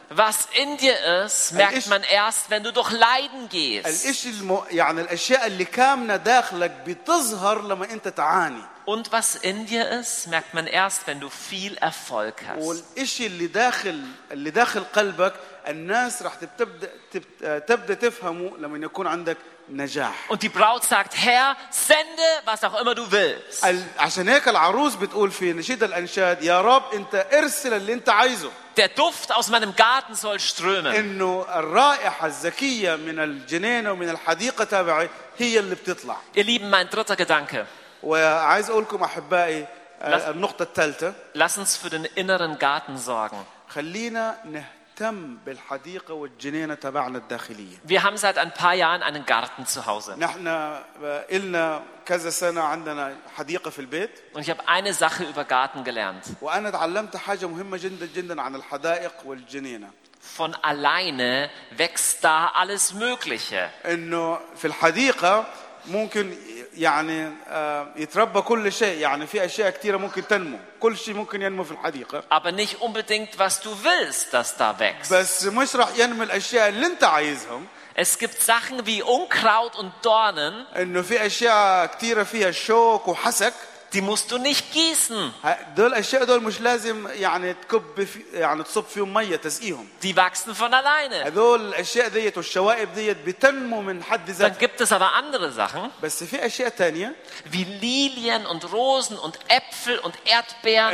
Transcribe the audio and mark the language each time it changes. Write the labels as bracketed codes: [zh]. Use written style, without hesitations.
[de] Was in dir ist, merkt man erst, wenn du durch Leiden gehst. [ar] الإشي يعني الأشياء اللي كامنة داخلك بتظهر لما أنت تعاني. [de] Und was in dir ist, merkt man erst, wenn du viel Erfolg hast. [ar] والإشي اللي داخل قلبك الناس رح تبدأ تفهمه لما يكون عندك نجاح. [de] Und die Braut sagt, Herr, sende, was auch immer du willst. [ar] عشان هيك العروس بتقول في نشيد الأنشاد يا رب أنت ارسل اللي أنت عايزه. [de] Der Duft aus meinem Garten soll strömen. [ar] إنه الرائحة الزكية من الجنينة ومن الحديقة تبعي هي اللي بتطلع. [de] Ihr Lieben, mein dritter Gedanke. [ar] وعايز أقولكم أحبائي النقطة الثالثة. [de] Lass uns für den inneren Garten sorgen. [ar] خلينا نهتم بالحديقة والجنينة تبعنا الداخلية. [de] Wir haben seit ein paar Jahren einen Garten zu Hause. [ar] نحن إلنا كذا سنة عندنا حديقة في البيت. [de] Und ich habe eine Sache über Garten gelernt. [ar] وأنا تعلمت حاجة مهمة جدا جدا عن الحدائق والجنينة. [de] Von alleine wächst da alles Mögliche. [ar] إنه في الحديقة ممكن يعني يتربى كل شيء يعني في أشياء كثيرة ممكن تنمو كل شيء ممكن ينمو في الحديقة. [de] Aber nicht unbedingt was du willst, dass da wächst. [ar] بس مش راح ينمو الأشياء اللي أنت عايزهم. [de] Es gibt Sachen wie Unkraut und Dornen. [ar] إنه في أشياء كثيرة فيها شوك وحسك. [de] Die musst du nicht gießen. [ar] دول أشياء دول مش لازم يعني تكب في يعني تصب فيهم مية تسقيهم. [de] Die wachsen von alleine. [ar] دول الأشياء ديت والشوائب ديت بتنمو من حد ذاتها. [de] Dann gibt es aber andere Sachen. [ar] بس في أشياء تانية. [de] Wie Lilien und Rosen und Äpfel und Erdbeeren.